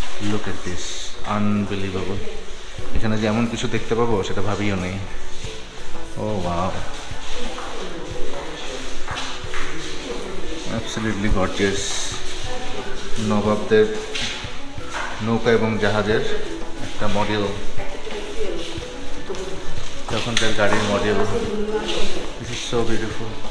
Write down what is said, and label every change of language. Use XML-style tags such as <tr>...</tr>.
<en>Look at this, unbelievable.</en> <bn>এখানে যে এমন কিছু দেখতে পাবো সেটা ভাবিও নেই।</bn> <en>Oh wow, absolutely gorgeous.</en> <bn>নবাবদের নৌকা এবং জাহাজের একটা মডেল, তখনকার গাড়ির model.</bn> <en>This is so beautiful.</en>